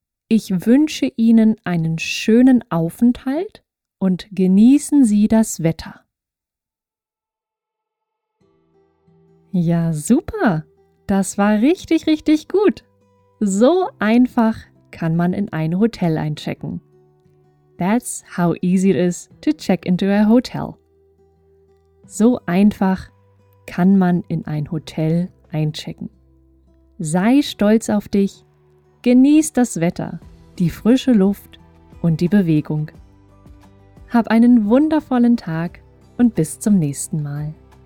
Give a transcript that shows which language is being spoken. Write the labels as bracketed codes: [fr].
[de] Ich wünsche Ihnen einen schönen Aufenthalt und genießen Sie das Wetter. Ja, super. Das war richtig, richtig gut. So einfach kann man in ein Hotel einchecken. [en] That's how easy it is to check into a hotel. [de] So einfach kann man in ein Hotel einchecken. Sei stolz auf dich, genieß das Wetter, die frische Luft und die Bewegung. Hab einen wundervollen Tag und bis zum nächsten Mal.